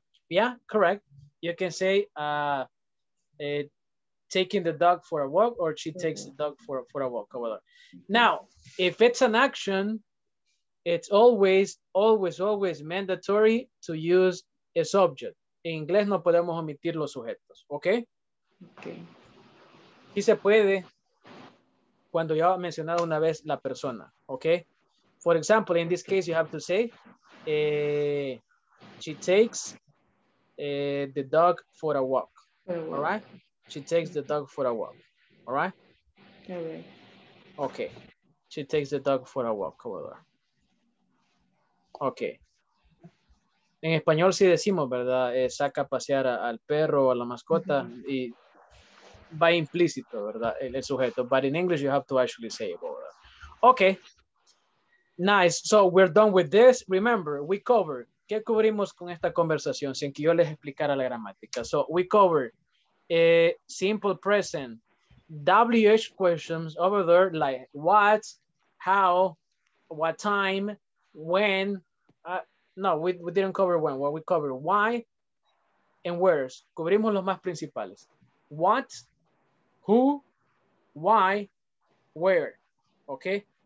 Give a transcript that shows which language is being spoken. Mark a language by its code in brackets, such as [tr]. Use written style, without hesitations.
[en] Yeah, correct. You can say taking the dog for a walk, or she takes the dog for a walk. Now, if it's an action, it's always, always, always mandatory to use a subject. [es] En inglés no podemos omitir los sujetos, okay? [en] Okay. [es] Y se puede cuando ya ha mencionado una vez la persona, okay? [en] For example, in this case, you have to say, she takes the dog for a walk, all right? She takes the dog for a walk, all right? Okay. Okay, she takes the dog for a walk, however. [es] Okay. En español sí decimos, ¿verdad? Saca a pasear al perro o a la mascota y va implícito, ¿verdad? El sujeto. [en] But in English, you have to actually say it, ¿verdad? Okay. Nice. So we're done with this. Remember, we covered. [es] ¿Qué cubrimos con esta conversación sin que yo les explicara la gramática? [en] So we covered simple present. WH questions over there, like what, how, what time, when. No, we didn't cover when. Well, we covered why and where. [es] Cubrimos los más principales. What, who, why, where. Okay.